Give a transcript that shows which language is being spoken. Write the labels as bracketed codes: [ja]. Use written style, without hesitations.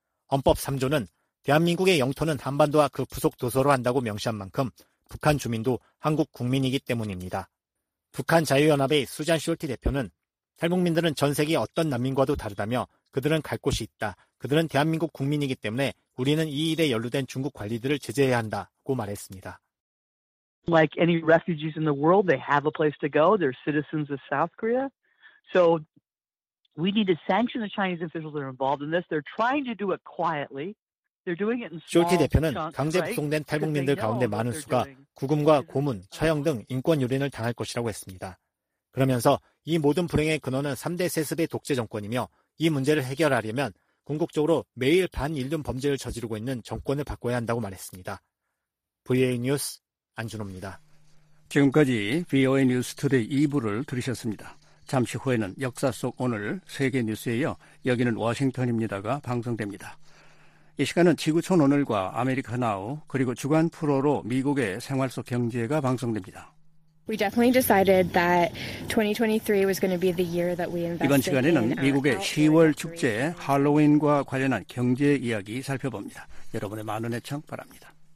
[ko] 헌법 3조는 대한민국의 영토는 한반도와 그 부속 도서로 한다고 명시한 만큼 북한 주민도 한국 국민이기 때문입니다. 북한 자유연합의 수잔 쇼티 대표는 탈북민들은 전 세계 어떤 난민과도 다르다며 그들은 갈 곳이 있다. 그들은 대한민국 국민이기 때문에 우리는 이 일에 연루된 중국 관리들을 제재해야 한다고 말했습니다. [en] Like any refugees in the world, they have a place to go. They're citizens of South Korea. So we need to sanction the Chinese officials that are involved in this. They're trying to do it quietly. [ko] 쇼티 대표는 강제 북송된 탈북민들 가운데 많은 수가 구금과 고문, 처형 등 인권 유린을 당할 것이라고 했습니다. 그러면서 이 모든 불행의 근원은 3대 세습의 독재 정권이며 이 문제를 해결하려면 궁극적으로 매일 반인륜 범죄를 저지르고 있는 정권을 바꿔야 한다고 말했습니다. VOA 뉴스 안준호입니다. 지금까지 VOA 뉴스 투데이 2부를 들으셨습니다. 잠시 후에는 역사 속 오늘 세계 뉴스예요. 여기는 워싱턴입니다가 방송됩니다. 이 시간은 지구촌 오늘과 아메리카 나우 그리고 주간 프로로 미국의 생활 속 경제가 방송됩니다. [en] We definitely decided that 2023 was going to be the year that we invested. [ko] 이번 시간에는 미국의 10월 축제 할로윈과 관련한 경제 이야기 살펴봅니다. 여러분의 많은 애청 바랍니다.